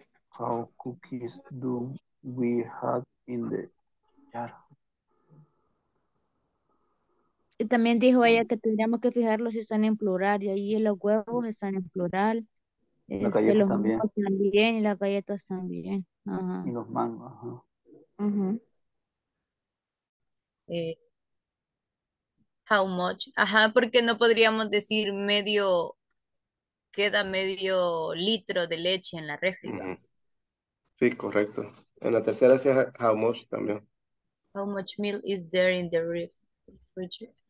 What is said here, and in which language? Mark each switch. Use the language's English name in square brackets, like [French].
[English] How cookies do we have in the jar? [Spanish] Y también dijo ella que tendríamos que fijarlo si están en plural, y ahí los huevos están en plural. Las galletas también. Y las galletas también. Ajá. Y los mangos. [English] How much? [Spanish] Ajá, porque no podríamos decir medio, queda medio litro de leche en la refri. Sí, correcto. En la tercera sí, [English] how much [Spanish] también. [English] How much milk is there in the refri?